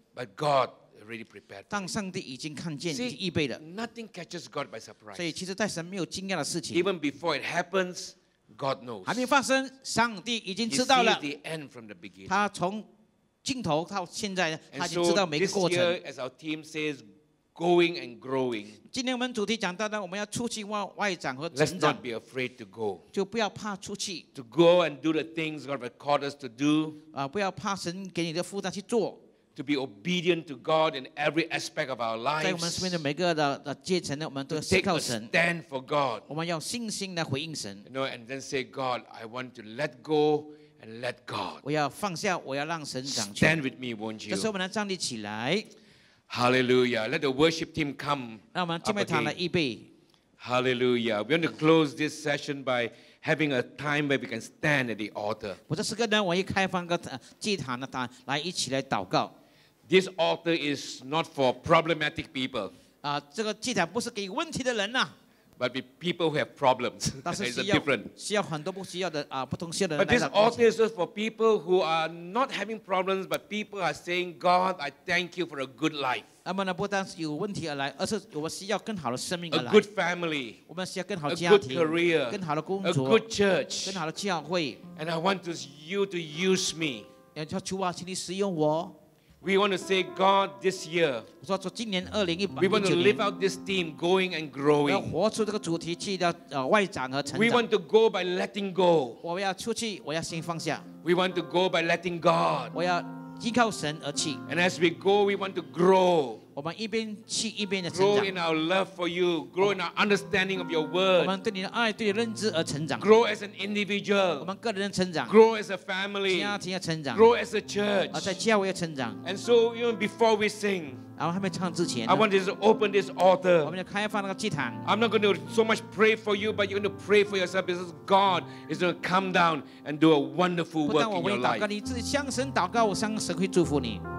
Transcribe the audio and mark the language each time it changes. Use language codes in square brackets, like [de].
[en] But God already prepared. [zh] 当上帝已经看见，已经预备了。 [en] Nothing catches God by surprise. [zh] 所以其实在神没有惊讶的事情。 [en] Even before it happens, God knows. [zh] 还没发生，上帝已经知道了。 [en] He sees the end from the beginning. [zh] 他从尽头到现在，他已经知道每个过程。 [en] And so this year, as our team says, going and growing. [zh] 今天我们主题讲到的，我们要出去外外展和成长。 [en] Let's not be afraid to go. [zh] 就不要怕出去。 [en] To go and do the things God has called us to do. [zh] 啊，不要怕神给你的负担去做。 [en] To be obedient to God in every aspect of our lives. [zh] 在我们身边的每个的阶层呢，我们都要信靠神。 [en] To take a stand for God. [zh] 我们要信心来回应神。 [en] You know, and then say, God, I want to let go and let God. [zh] 我要放下，我要让神掌权。 [en] Stand with me, won't you? [zh] 这时候我们来站立起来。 [en] Hallelujah! Let the worship team come. [zh] 让我们敬拜堂来预备。 [en] Hallelujah! We want to close this session by having a time where we can stand at the altar. [zh] 我这时刻呢，我要开放个祭坛的坛，来一起来祷告。 [en] This altar is not for problematic people. [zh] 啊，这个祭坛不是给问题的人呐。 [en] But be people who have problems. That is different. [zh] 需要很多不需要的啊，不同需要的。 [en] But this altar is for people who are not having problems, but people are saying, "God, I thank you for a good life." [zh] 那么呢，不单是有问题而来，而是我们需要更好的生命而来。 [en] A good family. [zh] 我们需要更好的家庭。 [en] A good career. [zh] 更好的工作。 [en] A good church. [zh] 更好的教会。 [en] And I want you to use me. [zh] 要主啊，请你使用我。 [en] We want to say, God, this year, [zh] 说说今年2019, [en] we want to live out this theme, going and growing. [zh] 要活出这个主题去的外展和成长。 [en] We want to go by letting go. [zh] 我要出去，我要先放下。 [en] We want to go by letting God. [zh] 我要依靠神而去。 [en] And as we go, we want to grow. [zh] 我们一边去一边的成长。 [en] Grow in our love for you. Grow in our understanding of your word. [zh] 我们对你的爱，对你的认知而成长。 [en] Grow as an individual. [zh] 我们个人的成长。 [en] Grow as a family. [zh] 家庭要成长。 [en] Grow as a church. [zh] 在教会要成长。 [en] And so even before we sing. [zh] 然后还没唱之前。 [en] I want to open this altar. [zh] 我们要开放那个祭坛。 [en] I'm not going to so much pray for you, but you're going to pray for yourself because God is going to come down and do a wonderful work in your life. [zh] 不但我为你祷告，你自己向神祷告，我向神会祝福你。